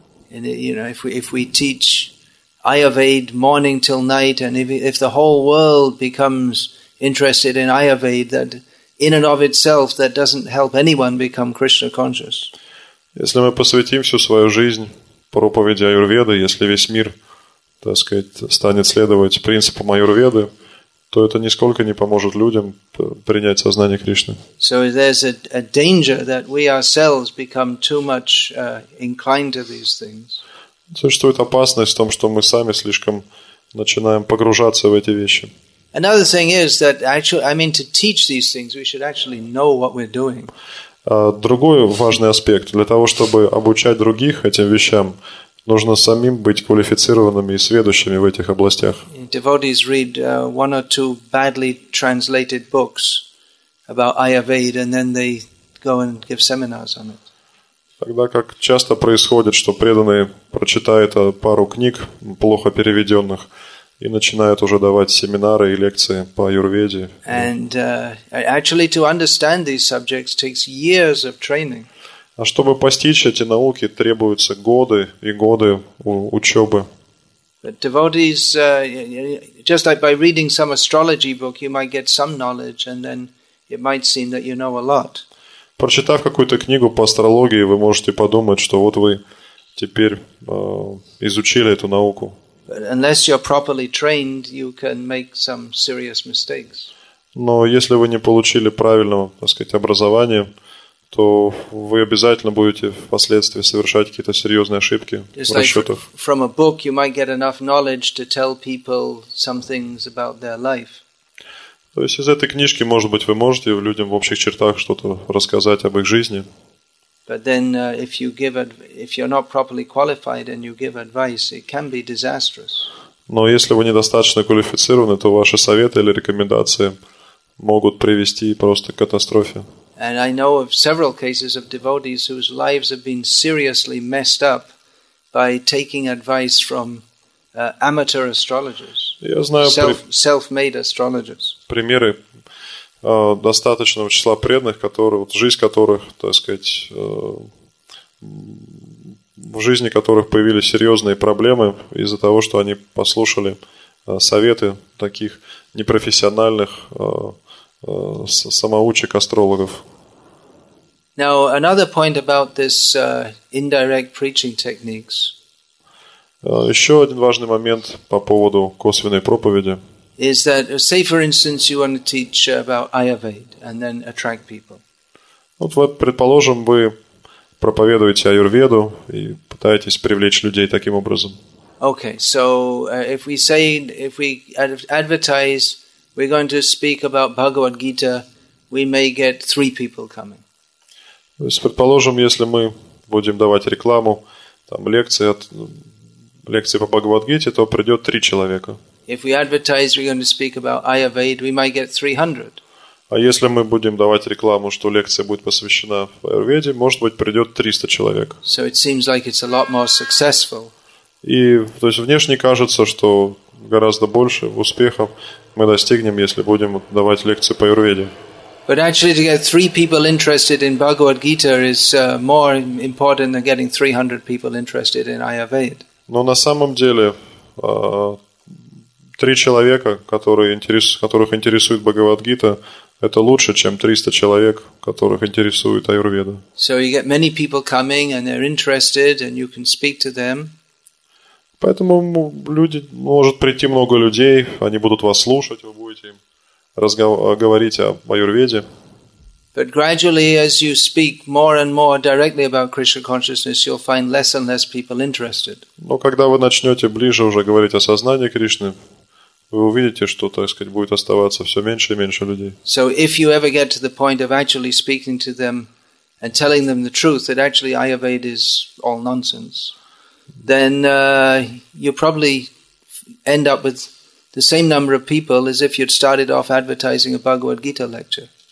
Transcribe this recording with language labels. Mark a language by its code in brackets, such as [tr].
[en] And you know, if we teach Ayurveda morning till night, and if the whole world becomes interested in Ayurveda, that in and of itself, that doesn't help anyone become Krishna conscious. [ru] Если мы посвятим всю свою жизнь проповеди Аюрведы, если весь мир, так сказать, станет следовать принципам Аюрведы, то это нисколько не поможет людям принять сознание Кришны. [en] So there's a danger that we ourselves become too much inclined to these things. [ru] Существует опасность в том, что мы сами слишком начинаем погружаться в эти вещи. [en] Another thing is that actually, I mean, to teach these things, we should actually know what we're doing. [ru] Другой важный аспект. Для того, чтобы обучать других этим вещам, нужно самим быть квалифицированными и сведущими в этих областях. [en] Devotees read one or two badly translated books about Ayurveda, and then they go and give seminars on it. [ru] Тогда как часто происходит, что преданные прочитают пару книг, плохо переведенных, и начинают уже давать семинары и лекции по аюрведе. [en] And actually to understand these subjects takes years of training. [ru] А чтобы постичь эти науки, требуются годы и годы учебы. [en] But devotees, just like by reading some astrology book, you might get some knowledge, and then it might seem that you know a lot. [ru] Прочитав какую-то книгу по астрологии, вы можете подумать, что вот вы теперь изучили эту науку. [en] Unless you're properly trained, you can make some serious mistakes. [ru] Но если вы не получили правильного, так сказать, образования, то вы обязательно будете впоследствии совершать какие-то серьезные ошибки в расчетах. [en] From a book you might get enough knowledge to tell people some things about their life. [ru] То есть из этой книжки, может быть, вы можете людям в общих чертах что-то рассказать об их жизни. [en] But then if you're not properly qualified and you give advice, it can be disastrous. [ru] Но если вы недостаточно квалифицированы, то ваши советы или рекомендации могут привести просто к катастрофе. [en] And I know of several cases of devotees whose lives have been seriously messed up by taking advice from amateur astrologers. [ru] Я знаю [en] self-made astrologers. [ru] Примеры достаточного числа преданных, которые вот жизнь которых, так сказать, в жизни которых появились серьезные проблемы из-за того, что они послушали советы таких непрофессиональных самоучек астрологов. [en] Now another point about this indirect preaching techniques. [ru] Еще один важный момент по поводу косвенной проповеди. [en] Is that, say, for instance, you want to teach about Ayurveda and then attract people? [ru] Вот предположим, вы проповедуете Аюрведу и пытаетесь привлечь людей таким образом. [en] Okay, so if we advertise, we're going to speak about Bhagavad Gita, we may get three people coming. [ru] То есть, предположим, если мы будем давать рекламу, там, лекции по Бхагавад-гите, то придет три человека. [en] If we advertise we're going to speak about Ayurveda, we might get 300. [ru] А если мы будем давать рекламу, что лекция будет посвящена Аюрведе, может быть, придет 300 человек. [en] So it seems like it's a lot more successful. [ru] И, то есть, внешне кажется, что гораздо больше успехов мы достигнем, если будем давать лекции по Аюрведе. [en] But actually, to get three people interested in Bhagavad Gita is more important than getting 300 people interested in Ayurveda. [ru] Но на самом деле, три человека, которых интересует Бхагавадгита, это лучше, чем 300 человек, которых интересует Аюрведа. [en] So you get many people coming and they're interested and you can speak to them. [ru] Поэтому люди, может прийти много людей, они будут вас слушать, вы будете им говорить о Аюрведе. [en] But gradually, as you speak more and more directly about Krishna consciousness, you'll find less and less people interested. [ru] Но когда вы начнете ближе уже говорить о сознании Кришны, вы увидите, что, так сказать, будет оставаться все меньше и меньше людей. [en] So if you ever get to the point of actually speaking to them and telling them the truth, that actually Ayurveda is all nonsense, then you'll probably end up with the same number of people as if you'd started off advertising a Bhagavad Gita lecture.